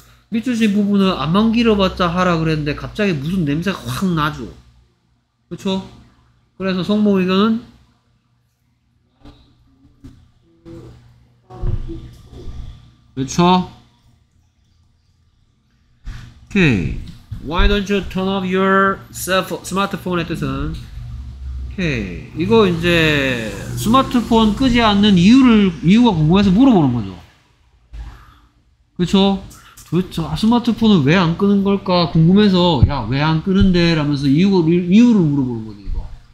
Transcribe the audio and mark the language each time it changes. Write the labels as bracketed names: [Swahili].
[Korean] 미치신 부분을 안만 길어봤자 하라 그랬는데 갑자기 무슨 냄새가 확 나죠. 그렇죠? 그래서 성모 의견은 그렇죠? [English] Okay. Why don't you turn off your smartphone 뜻은? Okay. [Korean] 이거 이제 스마트폰 끄지 않는 이유가 궁금해서 물어보는 거죠. 그렇죠? 도대체 스마트폰을 왜 안 끄는 걸까 궁금해서 야 왜 안 끄는데 라면서 이유를 물어보는 거지 이거.